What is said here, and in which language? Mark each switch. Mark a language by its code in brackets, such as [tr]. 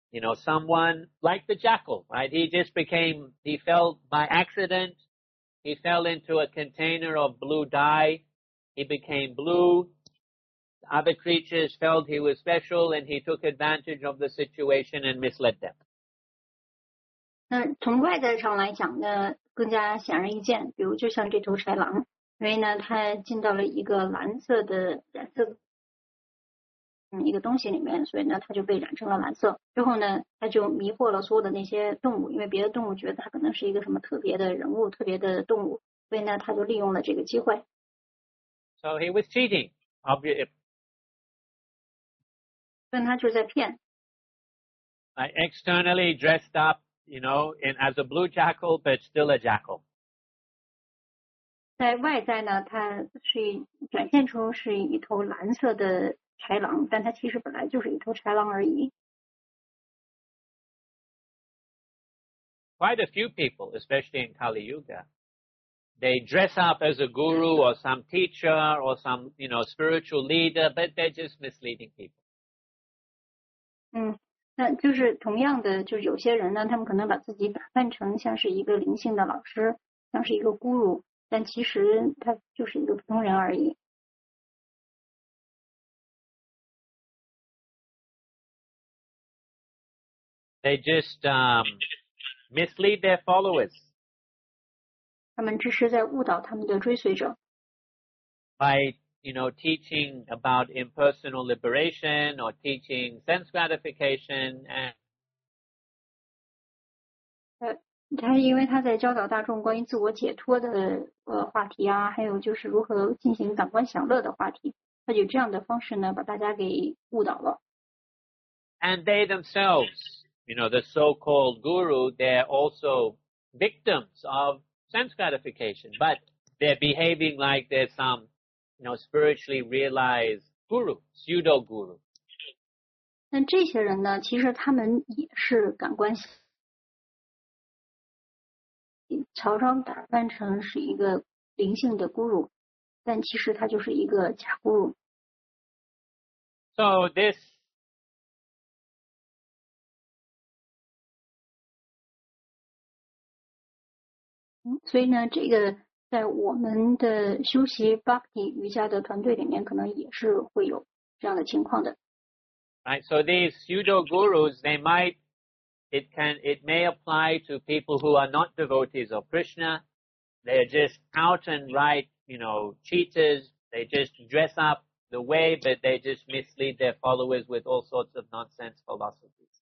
[en] You know, someone like the jackal, right? He fell into a container of blue dye. He became blue. Other creatures felt he was special and he took advantage of the situation and misled them. [zh] 那从外在上来讲呢，更加显而易见。比如就像这头豺狼，因为呢，他进到了一个蓝色的染色。一个东西里面，所以呢，它就被染成了蓝色。之后呢，它就迷惑了所有的那些动物，因为别的动物觉得它可能是一个什么特别的人物、特别的动物，所以呢，它就利用了这个机会。 [en] So he was cheating, obviously. [zh] 但他就在骗。 [en] Like externally dressed up, you know, in as a blue jackal, but still a jackal. [zh] 在外在呢，它是展现出是一头蓝色的。豺狼，但它其实本来就是一头豺狼而已。 [en] Quite a few people, especially in Kali Yuga, they dress up as a guru or some teacher or some, you know, spiritual leader, but they're just misleading people. [zh] 嗯，那就是同样的，就是有些人呢，他们可能把自己打扮成像是一个灵性的老师，像是一个 guru， 但其实他就是一个普通人而已。 [en] They just mislead their followers. [zh] 他们只是在误导他们的追随者。 [en] By, you know, teaching about impersonal liberation or teaching sense gratification and... [zh] 他因为他在教导大众关于自我解脱的话题啊，还有就是如何进行感官享乐的话题，他就这样的方式呢，把大家给误导了。 [en] And they themselves... You know, the so-called guru, they're also victims of sense gratification, but they're behaving like they're some, you know, spiritually realized guru, pseudo-guru. [zh] 那这些人呢，其实他们也是感官乔装打扮成是一个灵性的 guru, 但其实他就是一个假 guru. [en] So this... [zh] 所以呢，这个在我们的修习 Bhakti 瑜伽的团队里面，可能也是会有这样的情况的。 [en] Right, so these pseudo gurus, they might, it may apply to people who are not devotees of Krishna. They're just out and right, you know, cheaters. They just dress up the way, but they just mislead their followers with all sorts of nonsense philosophies.